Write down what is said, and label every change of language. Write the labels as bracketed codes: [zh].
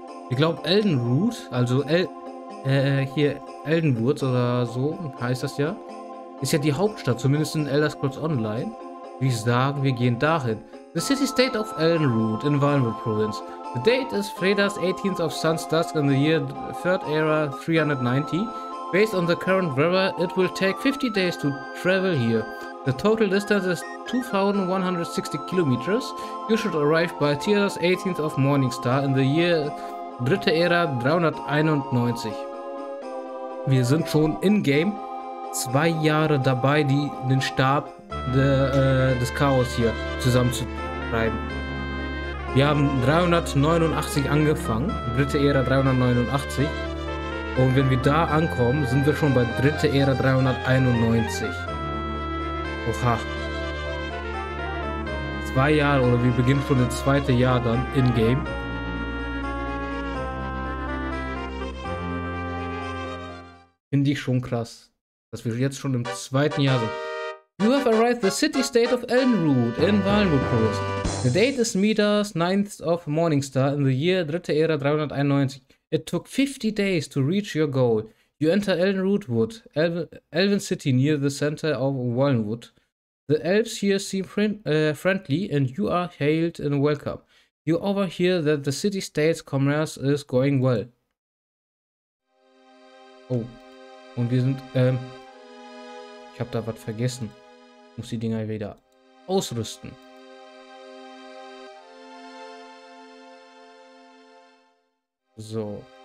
[de] Ich glaube Elden Root, also Eldenwoods oder so heißt das ja, ist ja die Hauptstadt, zumindest in Elder Scrolls Online. Wie sagen, wir gehen dahin. [en] The City State of Elden Root in Wildwood Province. The date is Freda's 18th of Sun's Dusk in the year 3rd Era 390. Based on the current weather, it will take 50 days to travel here. The total distance is 2160 kilometers. You should arrive by Tiras 18th of Morningstar in the year 3. Era 391. [de] Wir sind schon in-game 2 Jahre dabei, den Stab des Chaos hier zusammenzutreiben. Wir haben 389 angefangen, 3. Era 389. Und wenn wir da ankommen, sind wir schon bei 3. Ära 391. Oha. 2 Jahre, oder wir beginnen schon das 2. Jahr dann in-game. Finde ich schon krass, dass wir jetzt schon im 2. Jahr sind. [en] You have arrived the city state of Elden Root in Wildwood Province. The date is Midas 9th of Morningstar in the year 3. Ära 391. It took 50 days to reach your goal. You enter Elden Root Wood, Elven City near the center of Wildwood. The elves here seem friendly and you are hailed and welcome. You overhear that the city state's commerce is going well. [de] Oh, und wir sind, ich hab da was vergessen. Muss die Dinger wieder ausrüsten. So.